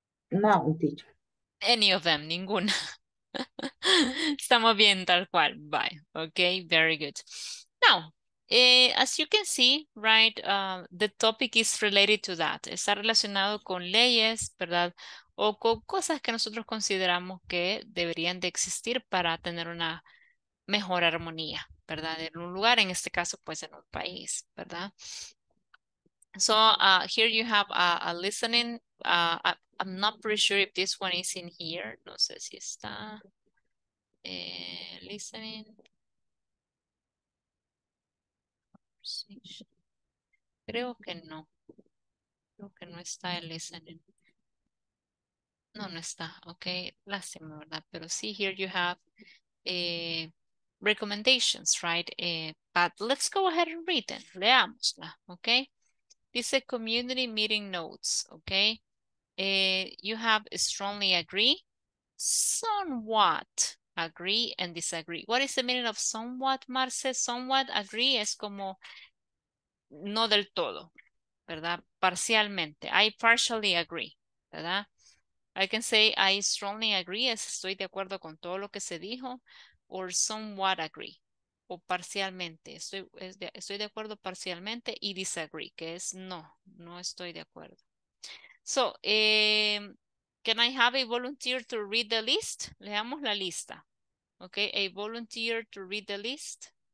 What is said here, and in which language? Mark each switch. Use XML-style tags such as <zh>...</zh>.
<en>No, teacher. Any of them,</en> <es>ninguna. Estamos bien tal cual. Bye.</es> <en>Okay, very good. Now, as you can see, right, the topic is related to that.</en> <es>Está relacionado con leyes, ¿verdad? O con cosas que nosotros consideramos que deberían de existir para tener una mejor armonía, ¿verdad? En un lugar, en este caso, pues en un país, ¿verdad?</es> <en>So, here you have a listening. I'm not pretty sure if this one is in here.</en> <es>No sé si está. Listening. Creo que no. Creo que no está el listening. No, no está. Okay. Lástima, ¿verdad? Pero sí,</es> <en>here you have recommendations, right? But let's go ahead and read them.</en> <es>Leámosla,</es> <en>okay? Dice community meeting notes, okay? You have strongly agree, somewhat agree, and disagree. What is the meaning of somewhat, Marce?</en> <es>Somewhat agree es como no del todo, ¿verdad? Parcialmente.</es> <en>I partially agree, ¿verdad? I can say I strongly agree,</en> <es>es estoy de acuerdo con todo lo que se dijo,</es> <en>or somewhat agree.</en> <es>O parcialmente, estoy de acuerdo parcialmente y disagree, que es no, no estoy de acuerdo.</es> <en>So, can I have a volunteer to read the list?</en> <es>Leamos la lista.</es> <en>Okay, a volunteer to read the list.</en>